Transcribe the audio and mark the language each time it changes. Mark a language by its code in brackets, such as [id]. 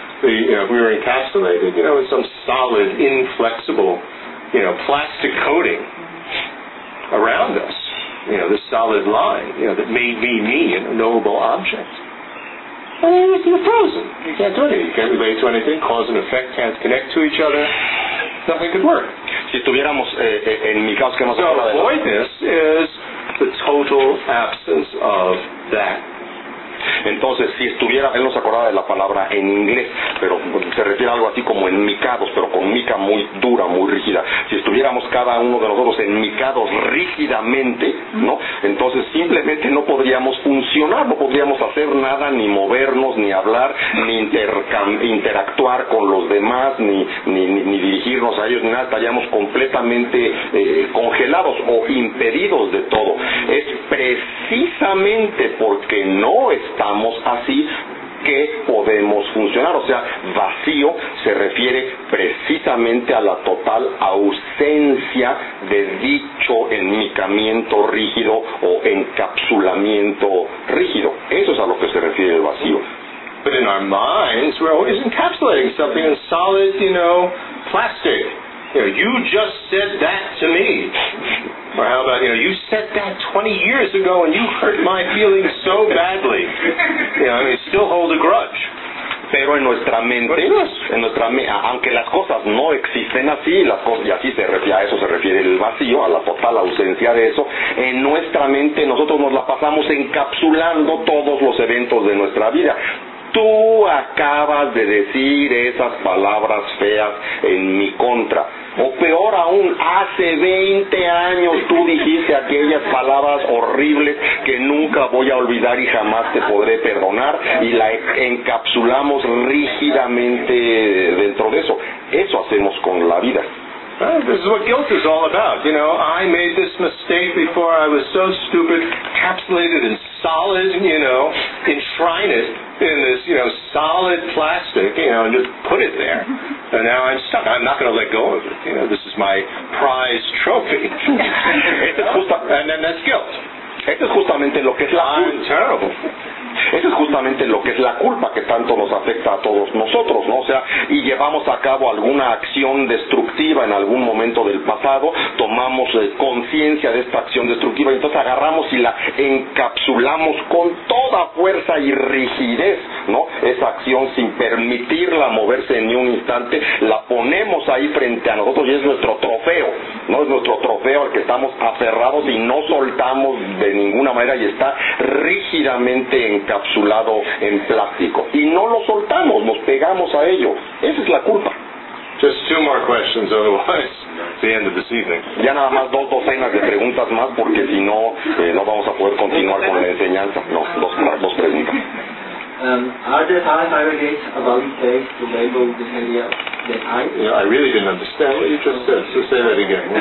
[en] The, you know, if we were encapsulated, you know, in some solid, inflexible, you know, plastic coating around us, you know, this solid line, you know, that made me a knowable object. I mean, you're frozen. You can't do anything. You can't relate to anything. Cause and effect can't connect to each other. Nothing could work. [es] Si estuviéramos en mi caso, que no se puede. [en] So voidness is the total absence of that. [es] Entonces, si estuviera, él no se acordaba de la palabra en inglés, pero se refiere a algo así como enmicados, pero con mica muy dura, muy rígida. Si estuviéramos cada uno de nosotros enmicados rígidamente, ¿no? Entonces, simplemente no podríamos funcionar, no podríamos hacer nada, ni movernos, ni hablar, ni interactuar con los demás, ni dirigirnos a ellos, ni nada. Estaríamos completamente congelados o impedidos de todo. Es precisamente porque no estamos así que podemos funcionar. O sea, vacío se refiere precisamente a la total ausencia de dicho enmicamiento rígido o encapsulamiento rígido. Eso es a lo que se refiere el vacío. [en] But in our minds, we're always encapsulating something in solid, you know, plastic. You know, you just said that to me. Or how about, you know, you said that 20 years ago and you hurt my feelings so badly. You know, I mean, still hold a grudge. [es] Pero en nuestra mente, aunque las cosas no existen así, las cosas, y así se refiere, a eso se refiere el vacío, a la total ausencia de eso, en nuestra mente nosotros nos la pasamos encapsulando todos los eventos de nuestra vida. Tú acabas de decir esas palabras feas en mi contra. O peor aún, hace 20 años tú dijiste aquellas palabras horribles que nunca voy a olvidar y jamás te podré perdonar, y la encapsulamos rígidamente dentro de eso. Eso hacemos con la vida. [en] This is what guilt is all about. You know, I made this mistake before, I was so stupid, encapsulated in solid, you know, enshrined it in this, you know, solid plastic, you know, and just put it there. And now I'm stuck. I'm not going to let go of it. You know, this is my prize trophy. And then that's guilt. [es] Eso es justamente lo que es la culpa. Eso es justamente lo que es la culpa que tanto nos afecta a todos nosotros, ¿no? O sea, y llevamos a cabo alguna acción destructiva en algún momento del pasado, tomamos conciencia de esta acción destructiva y entonces agarramos y la encapsulamos con toda fuerza y rigidez, ¿no? Esa acción sin permitirla moverse ni un instante, la ponemos ahí frente a nosotros y es nuestro trofeo, ¿no? Es nuestro trofeo al que estamos aferrados y no soltamos de ninguna manera y está rígidamente encapsulado en plástico y no lo soltamos, nos pegamos a ello. Esa es la culpa. [en] Just two more questions, otherwise it's the end of this evening. [es] Ya nada más dos docenas de preguntas más porque si no no vamos a poder continuar con la enseñanza. No, dos preguntas. [en] Are there five aggregates about each day to label the behavior that I? Yeah, I really didn't understand what you just said. So say that again.